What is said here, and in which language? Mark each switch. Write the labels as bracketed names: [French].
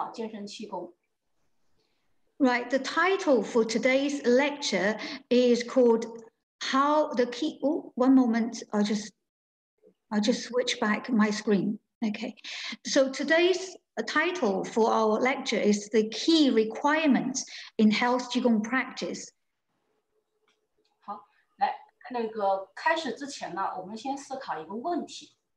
[Chinese] 我们今天的讲座的题目叫做如何练好健身气功。Right, [English] the title for today's lecture is called How the Key... Oh, one moment, I'll just switch back my screen. Okay, so today's title for our lecture is the key requirements in health qigong practice. [Chinese] 好，来，开始之前呢，我们先思考一个问题。